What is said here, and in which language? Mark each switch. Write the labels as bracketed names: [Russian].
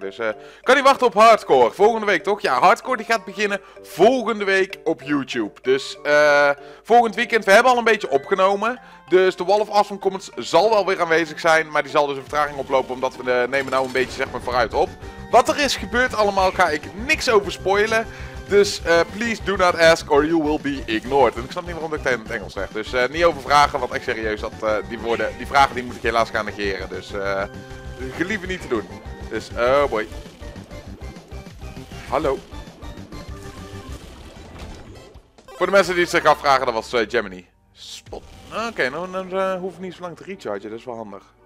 [Dutch] Dus kan niet wachten op Hardcore. Volgende week toch? Ja, Hardcore die gaat beginnen volgende week op YouTube. Dus volgend weekend. We hebben al een beetje opgenomen. Dus de Wall of Awesome Comments zal wel weer aanwezig zijn. Maar die zal dus een vertraging oplopen. Omdat we nemen nou een beetje zeg maar vooruit op. Wat er is gebeurd allemaal ga ik niks over spoilen. Dus [English] please do not ask or you will be ignored. [Dutch] En ik snap niet waarom ik het in het Engels zeg. Dus niet over vragen, want echt serieus. Dat, die vragen die moet ik helaas gaan negeren. Dus gelieve niet te doen. Dus oh boy. Hallo. Voor de mensen die zich afvragen, dat was Gemini. Spot. Oké, dan hoef ik niet zo lang te rechargen. Dat is wel handig.